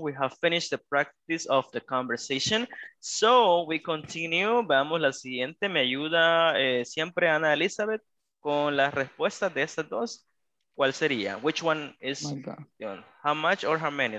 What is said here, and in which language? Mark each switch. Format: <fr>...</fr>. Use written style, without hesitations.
<en>We have finished the practice of the conversation. So we continue.</en> <es>Vamos la siguiente. Me ayuda siempre Ana Elizabeth con las respuestas de estas dos. ¿Cuál sería?</es> <en>Which one is how much or how many?</en>